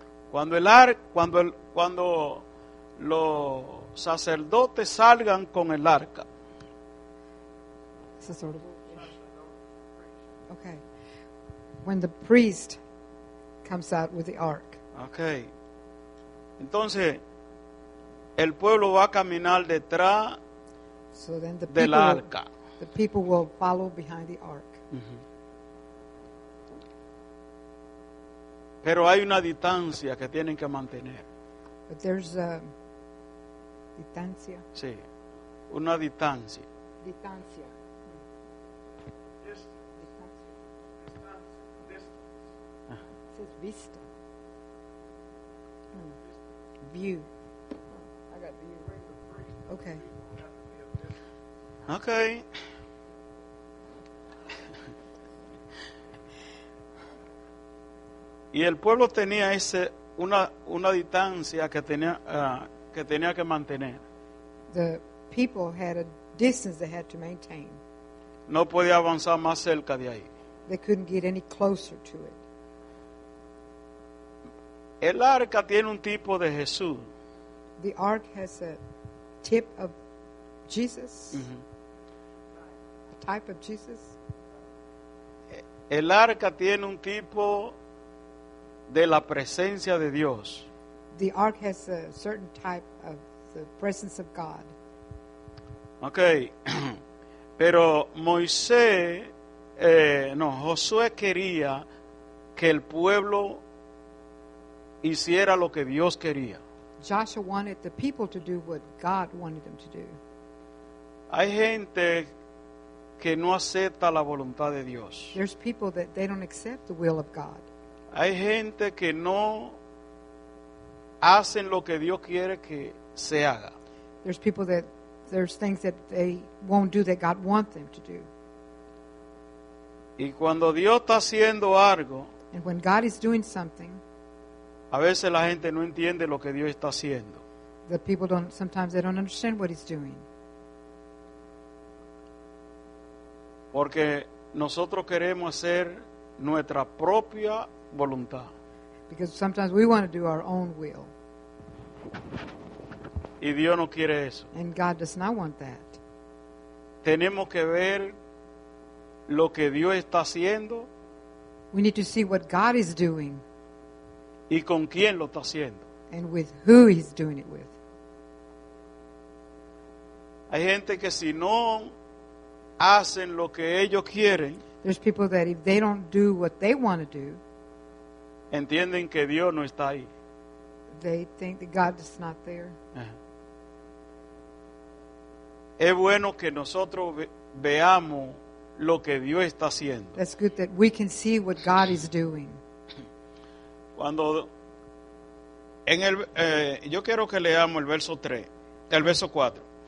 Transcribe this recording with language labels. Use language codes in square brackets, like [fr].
[es] Cuando el arca, cuando los sacerdotes salgan con el arca. Okay. [en] When the priest comes out with the ark. Okay. [es] Entonces el pueblo va a caminar detrás del arca. [en] The people will follow behind the ark. [es] Pero hay una distancia que tienen que mantener. [en] But there's a distancia. [es] Sí, una distancia. Distancia. [en] Says vista. View. Okay. [es] Y el pueblo tenía ese una distancia que tenía que mantener. [en] The people had a distance they had to maintain. [es] No podía avanzar más cerca de ahí. [en] They couldn't get any closer to it. [es] El arca tiene un tipo de Jesús. [en] The ark has a tip of Jesus. A type of Jesus. [es] El arca tiene un tipo de la presencia de Dios. [en] The ark has a certain type of the presence of God. Okay. [es] Pero Moisés, Josué quería que el pueblo hiciera lo que Dios quería. [en] Joshua wanted the people to do what God wanted them to do. [es] Hay gente que no acepta la voluntad de Dios. [en] There's people that they don't accept the will of God. [es] Hay gente que no hacen lo que Dios quiere que se haga. [en] There's people that there's things that they won't do that God wants them to do. [es] Y cuando Dios está haciendo algo, [en] and when God is doing something, [es] a veces la gente no entiende lo que Dios está haciendo. [en] The people don't, sometimes they don't understand what he's doing. [es] Porque nosotros queremos hacer nuestra propia voluntad. [en] Because sometimes we want to do our own will. [es] Y Dios no quiere eso. [en] And God does not want that. [es] Tenemos que ver lo que Dios está haciendo. [en] We need to see what God is doing. [es] Y con quién lo está haciendo. [en] And with who he's doing it with. [es] Hay gente que si no hacen lo que ellos quieren, [en] there's people that if they don't do what they want to do, [es] entienden que Dios no está ahí. [en] They think that God is not there. [es] Es bueno que nosotros veamos lo que Dios está haciendo. [en] That's good that we can see what God is doing. [es] Cuando en el yo quiero que leamos el verso 3, el verso 4.